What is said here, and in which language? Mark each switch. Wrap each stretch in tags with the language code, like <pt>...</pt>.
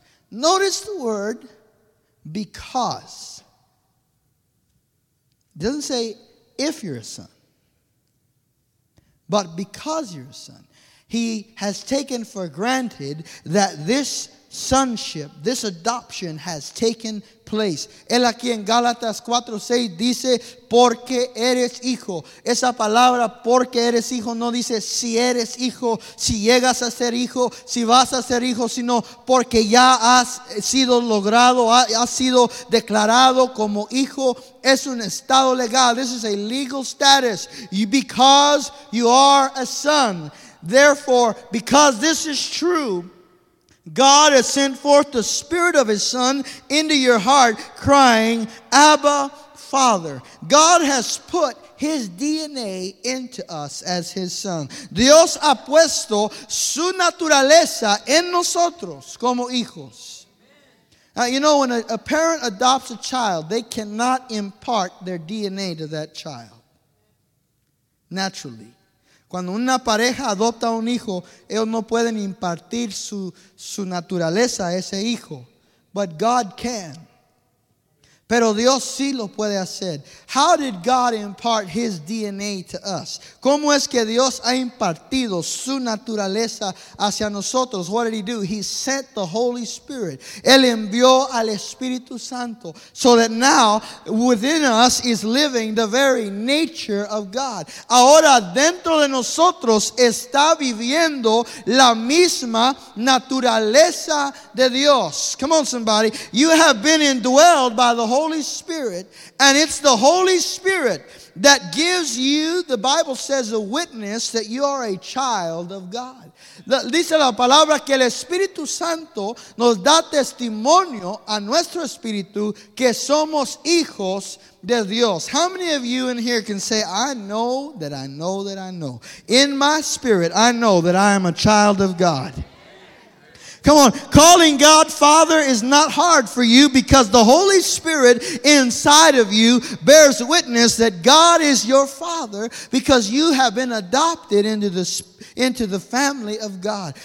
<en>Notice the word because. It doesn't say if you're a son, but because you're a son. He has taken for granted that this sonship, this adoption has taken place.</en> <es>Él aquí en Gálatas 4:6 dice, porque eres hijo. Esa palabra, porque eres hijo, no dice si eres hijo, si llegas a ser hijo, si vas a ser hijo, sino porque ya has sido logrado, has sido declarado como hijo. Es un estado legal.</es> <en>This is a legal status. Because you are a son. Therefore, because this is true, God has sent forth the Spirit of His Son into your heart, crying, Abba, Father. God has put His DNA into us as His Son.</en> <es>Dios ha puesto su naturaleza en nosotros como hijos.</es> <en>Now, you know, when a parent adopts a child, they cannot impart their DNA to that child. Naturally.</en> <es>Cuando una pareja adopta un hijo, ellos no pueden impartir su naturaleza a ese hijo.</es> <en>But God can.</en> <es>Pero Dios sí lo puede hacer.</es> <en>How did God impart his DNA to us?</en> <es>¿Cómo es que Dios ha impartido su naturaleza hacia nosotros?</es> <en>What did he do? He sent the Holy Spirit.</en> <es>Él envió al Espíritu Santo.</es> <en>So that now within us is living the very nature of God.</en> <es>Ahora dentro de nosotros está viviendo la misma naturaleza de Dios.</es> <en>Come on, somebody. You have been indwelled by the Holy Spirit, and it's the Holy Spirit that gives you, the Bible says, a witness that you are a child of God.</en> <es>Dice la palabra que el Espíritu Santo nos da testimonio a nuestro espíritu que somos hijos de Dios.</es> <en>How many of you in here can say, I know that I know that I know. In my spirit, I know that I am a child of God. Come on. Calling God Father is not hard for you because the Holy Spirit inside of you bears witness that God is your Father because you have been adopted into the family of God.</en>